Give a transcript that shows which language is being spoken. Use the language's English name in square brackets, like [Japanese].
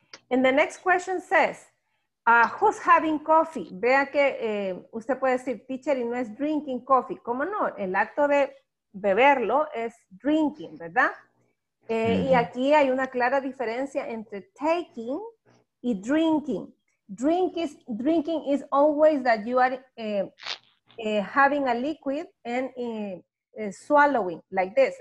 [English] And the next question says, who's having coffee? [Spanish] Vea que usted puede decir, teacher, y no es [English] drinking coffee. [Spanish] ¿Cómo no? El acto de beberlo es drinking, ¿verdad? Y aquí hay una clara diferencia entre taking y drinking. [English] Drinking is always that you are having a liquid and swallowing, like this.